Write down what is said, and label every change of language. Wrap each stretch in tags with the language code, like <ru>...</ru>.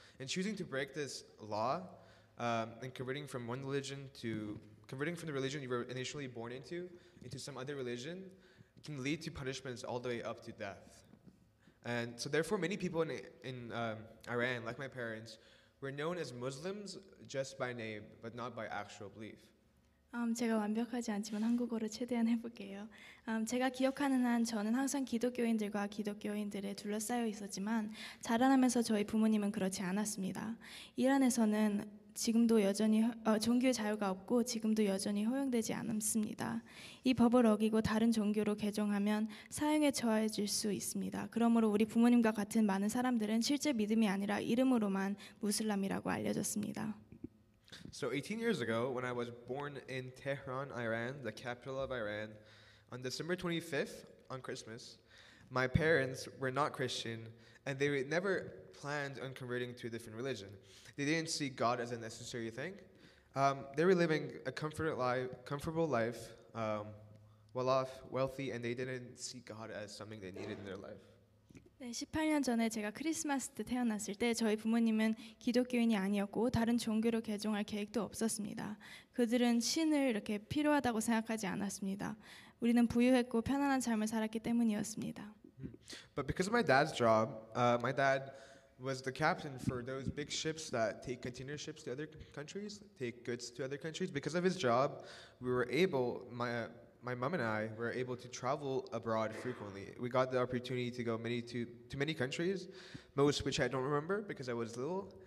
<en>And choosing to break this law and converting from one religion to converting from the religion you were initially born into some other religion can lead to punishments all the way up to death. And so therefore many people in Iran, like my parents, were known as Muslims just by name, but not by actual belief.</en> <ko>제가 완벽하지 않지만 한국어로 최대한 해볼게요. 제가 기억하는 한 저는 항상 기독교인들과 기독교인들에 둘러싸여 있었지만 자라나면서 저희 부모님은 그렇지 않았습니다. 이란에서는 지금도 여전히 종교의 자유가 없고 지금도 여전히 허용되지 않습니다. 이 법을 어기고 다른 종교로 개종하면 사형에 처해질 수 있습니다. 그러므로 우리 부모님과 같은 많은 사람들은 실제 믿음이 아니라 이름으로만 무슬람이라고 알려졌습니다.</ko> <en>So 18 years ago, when I was born in Tehran, Iran, the capital of Iran, on December 25th, on Christmas, my parents were not Christian, and they never planned on converting to a different religion. They didn't see God as a necessary thing. They were living a comfortable life, well off, wealthy, and they didn't see God as something they needed in their life.</en> <ko>네, 18년 전에 제가 크리스마스 때 태어났을 때 저희 부모님은 기독교인이 아니었고 다른 종교로 개종할 계획도 없었습니다. 그들은 신을 이렇게 필요하다고 생각하지 않았습니다. 우리는 부유했고 편안한 삶을 살았기 때문이었습니다.</ko> <en>But because of my dad's job, my dad was the captain for those big ships that take container ships to other countries, take goods to other countries. Because of his job, we were able, my mom and I were able to travel abroad frequently. We got the opportunity to go to many countries, most which I don't remember because I was little.</en>